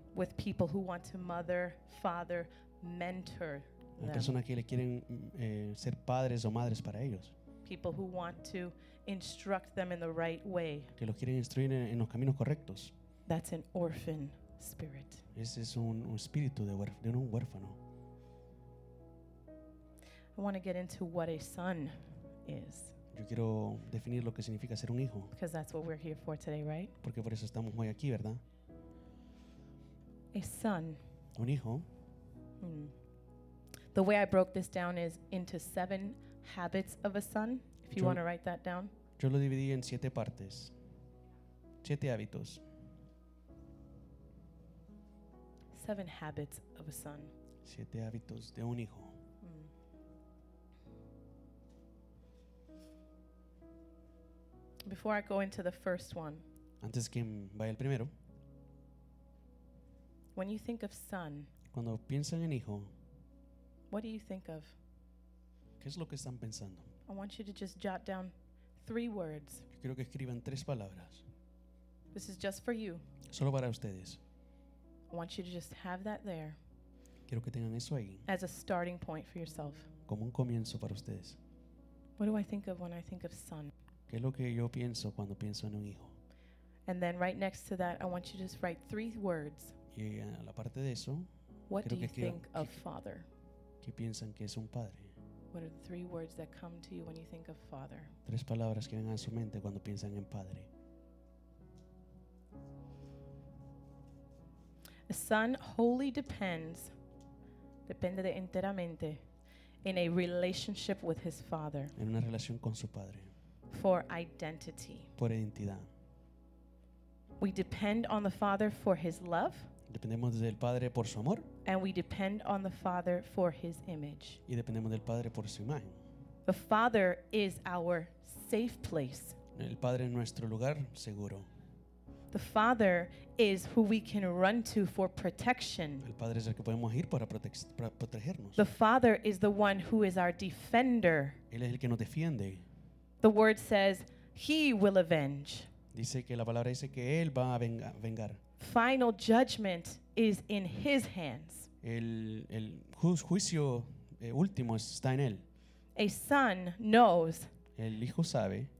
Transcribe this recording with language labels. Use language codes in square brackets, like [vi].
[en] With people who want to mother, father, mentor them. [es] Personas que le quieren ser padres o madres para ellos. [en] People who want to instruct them in the right way. [es] Que los quieren instruir en los caminos correctos. [en] That's an orphan spirit. [es] Ese es un espíritu de un huérfano. [en] I want to get into what a son is. [es] Yo quiero definir lo que significa ser un hijo. [en] Because that's what we're here for today, right? [es] Porque por eso estamos hoy aquí, ¿verdad? [en] A son. [es] Un hijo. [en] The way I broke this down is into seven habits of a son. If you want to write that down. [es] Yo lo dividí en siete partes. Siete hábitos. [en] Seven habits of a son. [es] Siete hábitos de un hijo. [en] Before I go into the first one. [es] Antes que vaya el primero. [en] When you think of son. [es] Cuando piensan en hijo. [en] What do you think of? [es] ¿Qué es lo que están pensando? [en] I want you to just jot down three words. [es] Yo quiero que escriban tres palabras. [en] This is just for you. [es] Solo para ustedes. [en] I want you to just have that there. [es] Quiero que tengan eso ahí. [en] As a starting point for yourself. [es] Como un comienzo para ustedes. [en] What do I think of when I think of son? [es] ¿Qué es lo que yo pienso cuando pienso en un hijo? [en] And then right next to that, I want you to just write three words. [es] Y a la parte de eso, [en] what do you think of father? [es] ¿Qué piensan que es un padre? [en] What are the three words that come to you when you think of father? [es] Tres palabras que vengan a su mente cuando piensan en padre. [en] A son wholly [es] depende de enteramente [en] in a relationship with his father. [es] En una relación con su padre. [en] For identity. [es] Por identidad. [en] We depend on the father for his love. [es] Dependemos del padre por su amor. [en] And we depend on the father for his image. [es] Y dependemos del padre por su imagen. [en] The father is our safe place. [es] El padre es nuestro lugar seguro. [en] The father is who we can run to for protection. [es] El padre es el que podemos ir para protegernos. [en] The father is the one who is our defender. [es] Él es el que nos defiende. [en] The word says he will avenge. [es] Dice que la palabra dice que él va a vengar. [en] Final judgment is in his hands. [es] El juicio último está en él. [en] A son knows. [es] El hijo sabe.